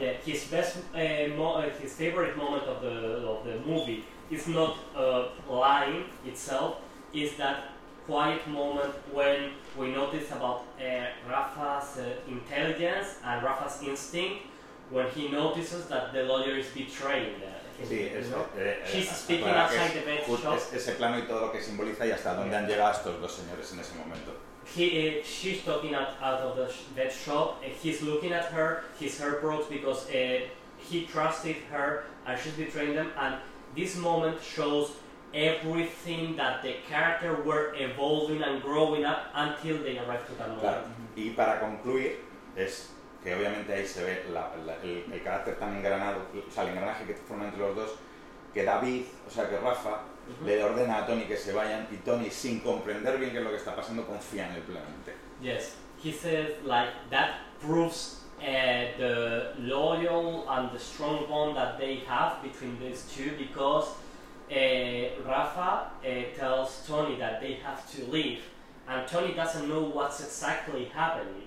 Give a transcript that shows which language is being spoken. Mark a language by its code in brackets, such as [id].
[en] Yeah, his best his favorite moment of the movie is not lying itself, is that quiet moment when we notice about Rafa's intelligence and Rafa's instinct when he notices that the lawyer is betraying them. [es] Sí, eso. [en] She's speaking outside the bed shop. [es] Ese plano y todo lo que simboliza y hasta dónde han llegado estos dos señores en ese momento. [en] She's talking out of the bed shop. He's looking at her. His heart broke because he trusted her and she's betraying them. And this moment shows everything that the character were evolving and growing up until they arrived to that moment. [es] Claro. Y para concluir es que obviamente ahí se ve el carácter tan engranado, o sea, el engranaje que forma entre los dos, que David, o sea, que Rafa, le ordena a Tony que se vayan, y Tony, sin comprender bien qué es lo que está pasando, confía en él plenamente. [en] Yes, he says, like, that proves the loyal and the strong bond that they have between these two, because Rafa tells Tony that they have to leave, and Tony doesn't know what's exactly happening.